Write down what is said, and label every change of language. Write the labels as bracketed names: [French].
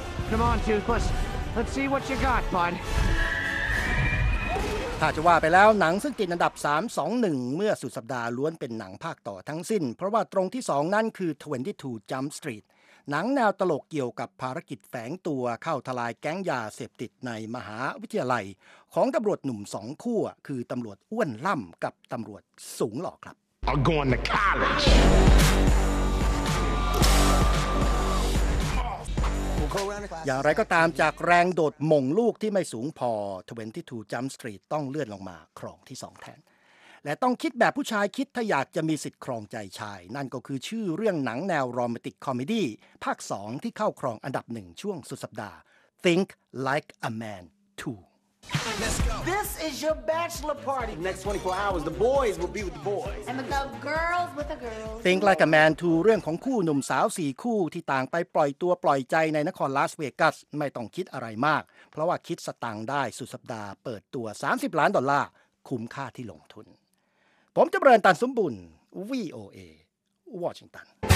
[English] Come on Toothless Let's see what you got bud [Thai] ถ้าจะว่าไปแล้วหนังซึ่งติดอันดับ3 2 1เมื่อสุดสัปดาห์ล้วนเป็นหนังภาคต่อทั้งสิ้นเพราะว่าตรงที่2นั่นคือ22 Jump Street หนังแนวตลกเกี่ยวกับภารกิจแฝงตัวเข้าทลายแก๊งยาเสพติดในมหาวิทยาลัยของตำรวจหนุ่ม2คู่คือตำรวจอ้วนล่ำกับตำรวจสูงหล่อครับ [English] I'm going to college [Thai] อย่างไรก็ตามจากแรงโดดมงลูกที่ไม่สูงพอ22 Jump Street ต้องเลื่อนลงมาครองที่2แทนและต้องคิดแบบผู้ชายคิดถ้าอยากจะมีสิทธิ์ครองใจชายนั่นก็คือชื่อเรื่องหนังแนวโรแมนติกคอมเมดี้ภาค2ที่เข้าครองอันดับ1ช่วงสุดสัปดาห์ Think Like a Man 2 [English] This is your bachelor party next 24 hours the boys will be with the boys and the girls with the girls [Thai] Think Like a Man 2เรื่องของคู่หนุ่มสาว4คู่ที่ต่างไปปล่อยตัวปล่อยใจในนครลาสเวกัสไม่ต้องคิดอะไรมากเพราะว่าคิดสตางค์ได้สุดสัปดาห์เปิดตัว30ล้านดอลลาร์คุ้มค่าที่ลงทุนผมจะเริญตันสมบุญ VOA วอชิงตัน